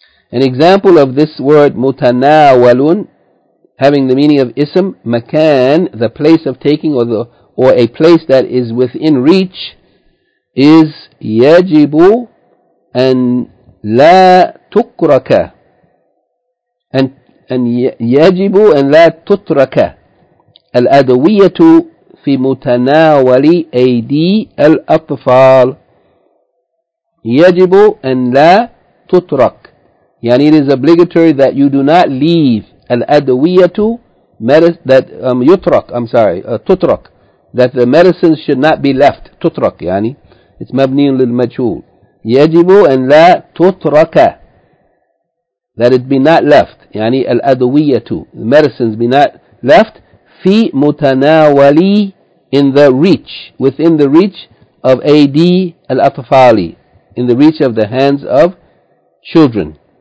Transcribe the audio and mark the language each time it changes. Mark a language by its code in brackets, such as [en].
[en] An example of this word mutanawalun having the meaning of ism makan, the place of taking, or a place that is within reach, is yajibu an la tukraka, and yajibu an la tutraka [ar] الأدوية في متناول أيدي الأطفال يجب أن لا تترك. [en] يعني it is obligatory that you do not leave الأدوية medicine that [ar] يترك. [en] I'm sorry, تترك, that the medicines should not be left. [ar] تترك يعني [en] it's [ar] مبني للمجهول. يجب أن لا تترك, [en] that it be not left. يعني الأدوية, the medicines be not left. في متناولي, in the reach, within the reach of [ar] أيدي الأطفالي, [en] in the reach of the hands of children.